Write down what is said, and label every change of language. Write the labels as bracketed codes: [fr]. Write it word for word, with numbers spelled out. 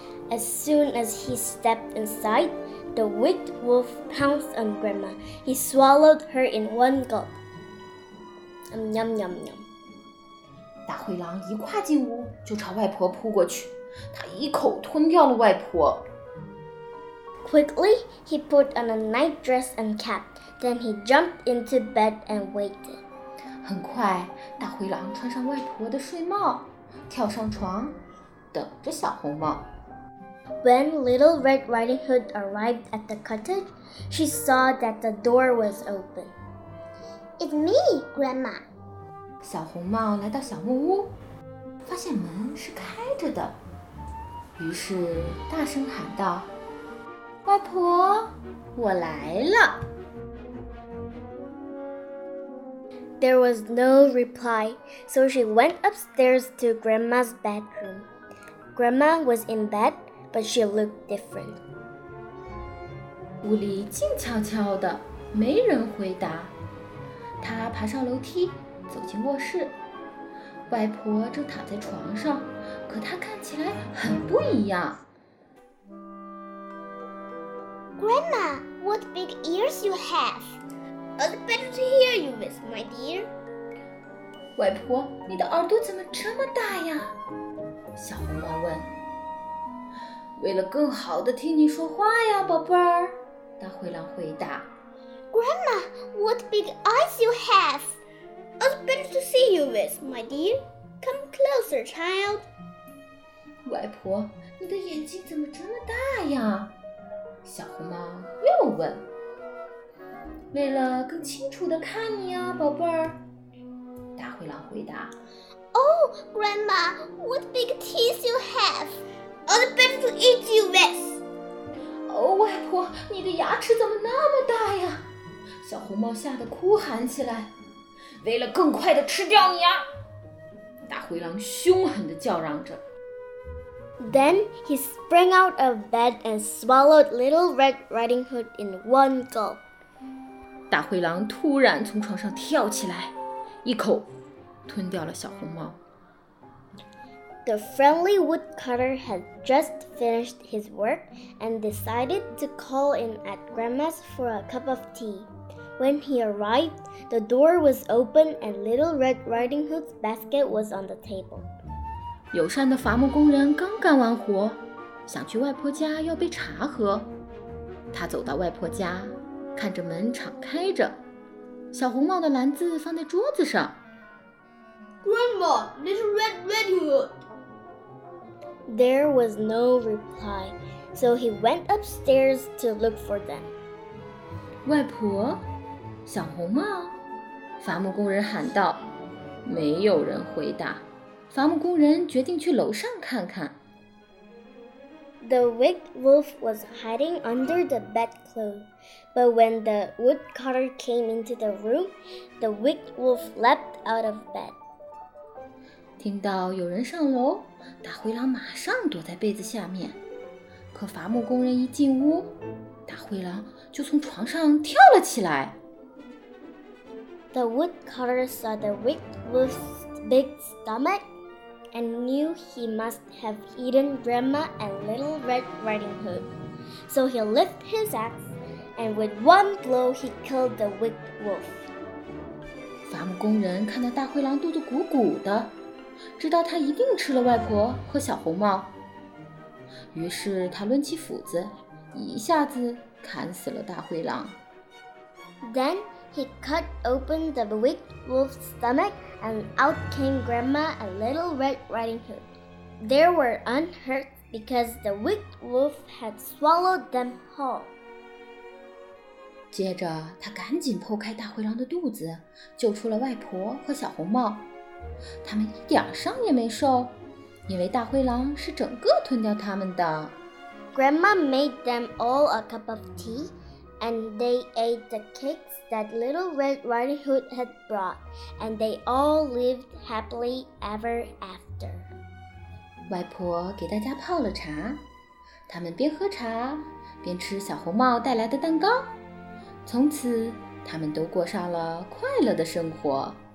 [en] As soon as he stepped inside, the wicked wolf pounced on Grandma. He swallowed her in one gulp. Um, yum, yum, yum. [zh] 大灰狼一跨进屋就朝外婆扑过去，他一口吞掉了外婆。 [en] Quickly, he put on a night dress and cap. Then he jumped into bed and waited. [zh] 很快，大灰狼穿上外婆的睡帽，跳上床，等着小红帽。 [en] When Little Red Riding Hood arrived at the cottage, she saw that the door was open. It's me, Grandma. [zh] 小红帽来到小木屋，发现门是开着的，于是大声喊道：“外婆，我来了。” [en] There was no reply, so she went upstairs to Grandma's bedroom. Grandma was in bed. But she looked different. [zh] 屋里静悄悄的，没人回答。她爬上楼梯，走进卧室。外婆正躺在床上，可她看起来很不一样。 [en] Grandma, what big ears you have! It's better to hear you with, my dear. [zh] 外婆，你的耳朵怎么这么大呀？小红帽问。为了更好地听你说话呀，宝贝儿，大灰狼回答。 [en] Grandma, what big eyes you have! It's better to see you with, my dear. Come closer, child. [zh] 外婆，你的眼睛怎么这么大呀？小红帽又问。为了更清楚地看你呀，宝贝儿，大灰狼回答。 [en] Oh, Grandma, what big teeth you have! It's better to eat you with. [zh] Oh, 外婆，你的牙齿怎么那么大呀？小红帽吓得哭喊起来。为了更快地吃掉你啊！大灰狼凶狠地叫嚷着。 [en] Then he sprang out of bed and swallowed Little Red Riding Hood in one gulp. [zh] 大灰狼突然从床上跳起来，一口吞掉了小红帽。 [en] The friendly woodcutter had just finished his work and decided to call in at Grandma's for a cup of tea. When he arrived, the door was open and Little Red Riding Hood's basket was on the table. [zh] 友善的伐木工人刚干完活，想去外婆家要杯茶喝。他走到外婆家，看着门敞开着，小红帽的篮子放在桌子上。 [en] Grandma, Little Red Riding Hood. There was no reply, so he went upstairs to look for them. [zh] 外婆，小红帽，伐木工人喊道。没有人回答。伐木工人决定去楼上看看。 [en] The wicked wolf was hiding under the bedclothes, but when the woodcutter came into the room, the wicked wolf leapt out of bed. [zh] 听到有人上楼，大灰狼马上躲在被子下面。可伐木工人一进屋，大灰狼就从床上跳了起来。 [en] The woodcutter saw the wicked wolf's big stomach and knew he must have eaten Grandma and Little Red Riding Hood. So he lifted his axe, and with one blow he killed the wicked wolf. [zh] 伐木工人看到大灰狼肚子鼓鼓的，知道他一定吃了外婆和小红帽，于是他抡起斧子，一下子砍死了大灰狼。 [en] Then he cut open the wicked wolf's stomach, and out came Grandma and Little Red Riding Hood. They were unhurt because the wicked wolf had swallowed them whole. [zh] 接着，他赶紧剖开大灰狼的肚子，救出了外婆和小红帽。他们一点伤也没受，因为大灰狼是整个吞掉他们的。 [en] Grandma made them all a cup of tea, and they ate the cakes that Little Red Riding Hood had brought, and they all lived happily ever after. [zh] 外婆给大家泡了茶，他们边喝茶边吃小红帽带来的蛋糕。从此，他们都过上了快乐的生活。